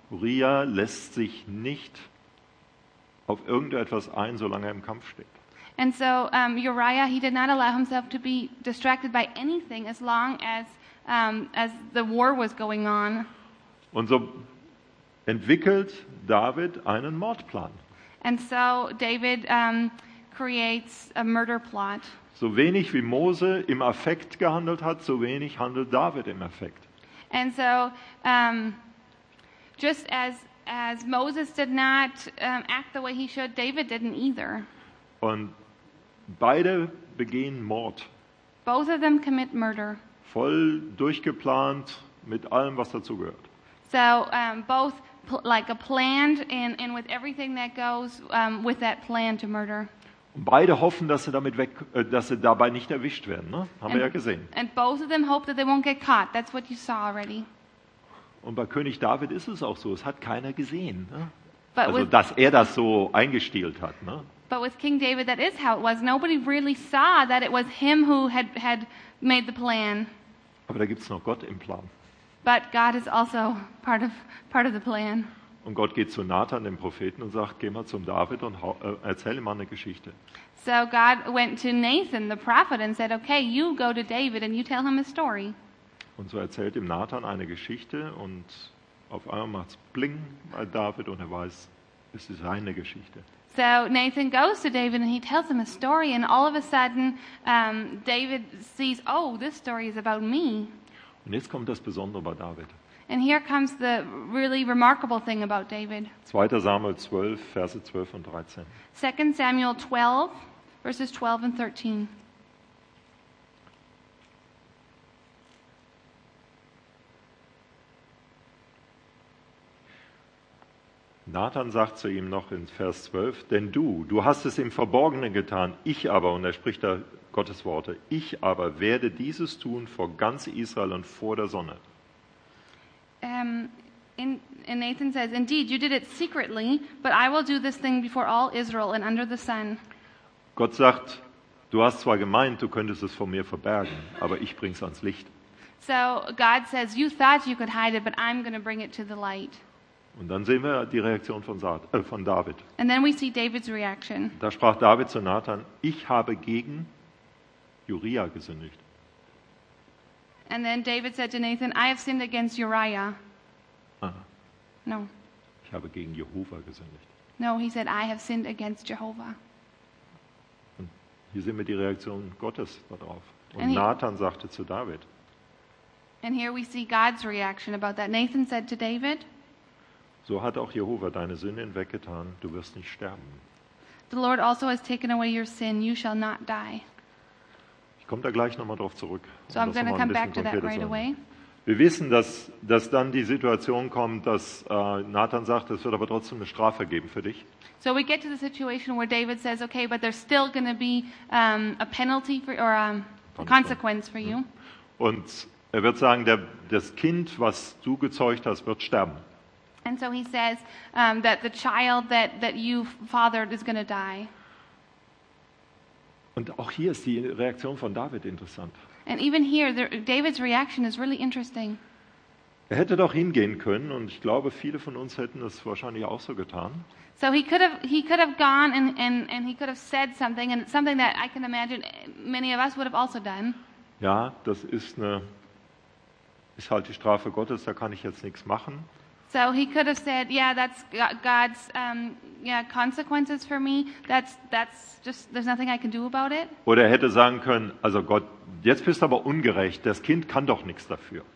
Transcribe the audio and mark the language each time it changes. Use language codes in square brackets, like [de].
[de] Uriah lässt sich nicht auf irgendetwas ein, solange er im Kampf steckt. [en] And so Uriah, he did not allow himself to be distracted by anything as long as the war was going on. [de] Und so entwickelt David einen Mordplan. [en] And so David creates a murder plot. [de] So wenig wie Mose im Affekt gehandelt hat, so wenig handelt David im Affekt. [en] And so just as Moses did not act the way he should, David didn't either. [de] Und beide begehen Mord. [en] Both of them commit murder. [de] Voll durchgeplant mit allem, was dazu gehört. [en] So both like a planned and with everything that goes with that plan to murder. [de] Und beide hoffen, dass sie damit weg, dass sie dabei nicht erwischt werden, ne? Haben wir ja gesehen. [en] And both of them hope that they won't get caught. That's what you saw already. [de] Und bei König David ist es auch so, es hat keiner gesehen, ne? [en] But also, [de] dass er das so eingestiehlt hat, ne? [en] But with King David that is how it was. Nobody really saw that it was him who had made the plan. [de] Aber da gibt's noch Gott im Plan. [en] But God is also part of the plan. [de] Und Gott geht zu Nathan, dem Propheten, und sagt, geh mal zum David und erzähl ihm mal eine Geschichte. [en] So God went to Nathan, the prophet, and said, okay, you go to David and you tell him a story. [de] Und so erzählt ihm Nathan eine Geschichte und auf einmal macht's bling bei David und er weiß, es ist seine Geschichte. [en] So Nathan goes to David and he tells him a story and all of a sudden David sees, oh, this story is about me. [de] Und jetzt kommt das Besondere bei David. [en] And here comes the really remarkable thing about David. [de] 2. Samuel 12, Verse 12 und 13. [en] 2 Samuel 12, Verses 12 and 13. [de] Nathan sagt zu ihm noch in Vers 12, denn du hast es im Verborgenen getan, ich aber, und er spricht da Gottes Worte, ich aber werde dieses tun vor ganz Israel und vor der Sonne. [en] And Nathan says, indeed, you did it secretly, but I will do this thing before all Israel and under the sun. [de] Gott sagt, du hast zwar gemeint, du könntest es vor mir verbergen, aber ich bring's ans Licht. [en] So God says, you thought you could hide it, but I'm going to bring it to the light. [de] Und dann sehen wir die Reaktion von David. [en] And then we see David's reaction. [de] Da sprach David zu Nathan, ich habe gegen Uriah gesündigt. [en] And then David said to Nathan, I have sinned against Uriah. Aha. No. [de] Ich habe gegen Jehovah gesündigt. [en] No, he said, I have sinned against Jehovah. [de] Und hier sehen wir die Reaktion Gottes darauf. Und Nathan sagte zu David. [en] And here we see God's reaction about that. Nathan said to David, [de] so hat auch Jehovah deine Sünde hinweggetan, du wirst nicht sterben. [en] The Lord also has taken away your sin, you shall not die. [de] Ich komme da gleich nochmal drauf zurück. [en] So I'm going to come back to that right away. [de] Wir wissen, dass dann die Situation kommt, dass Nathan sagt, es wird aber trotzdem eine Strafe geben für dich. [en] So we get to the situation where David says, okay, but there's still going to be a penalty for, or a consequence for you. [de] Und er wird sagen, das Kind, was du gezeugt hast, wird sterben. [en] And so he says that the child that you fathered is going to die. [de] Und auch hier ist die Reaktion von David interessant. [en] And even here, David's reaction is really interesting. [de] Er hätte doch hingehen können, und ich glaube, viele von uns hätten das wahrscheinlich auch so getan. [en] So he could have gone and he could have said something, and something that I can imagine many of us would have also done. [de] Ja, das ist halt die Strafe Gottes, da kann ich jetzt nichts machen. [en] So he could have said, yeah, that's God's consequences for me. That's just, there's nothing I can do about it. [de] Oder er hätte sagen können, also Gott, jetzt bist du aber ungerecht. Das Kind kann doch nichts dafür.